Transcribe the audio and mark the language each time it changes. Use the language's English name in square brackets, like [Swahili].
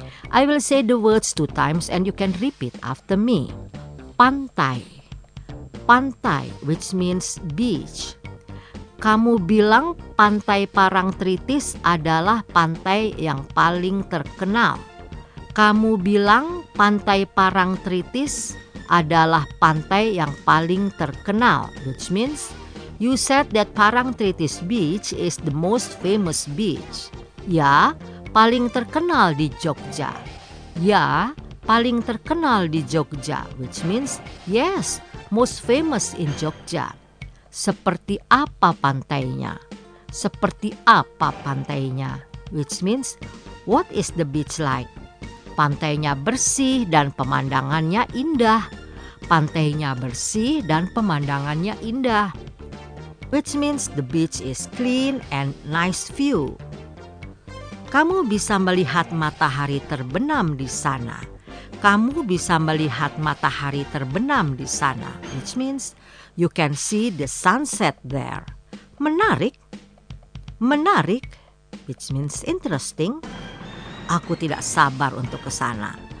[English] I will say the words two times and you can repeat after me. Pantai. Pantai, which means beach. [Indonesian] Kamu bilang Pantai Parangtritis adalah pantai yang paling terkenal. Kamu bilang Pantai Parangtritis adalah pantai yang paling terkenal, [English] which means you said that Parangtritis Beach is the most famous beach. [Indonesian] Ya, paling terkenal di Jogja. Ya, paling terkenal di Jogja, [English] which means yes, most famous in Jogja. [Indonesian] Seperti apa pantainya? Seperti apa pantainya? [English] Which means, what is the beach like? [Indonesian] Pantainya bersih dan pemandangannya indah. Pantainya bersih dan pemandangannya indah. [English] Which means the beach is clean and nice view. [Indonesian] Kamu bisa melihat matahari terbenam di sana. Kamu bisa melihat matahari terbenam di sana. [English] Which means, you can see the sunset there. Menarik. Menarik, which means interesting. [Indonesian] Aku tidak sabar untuk ke sana.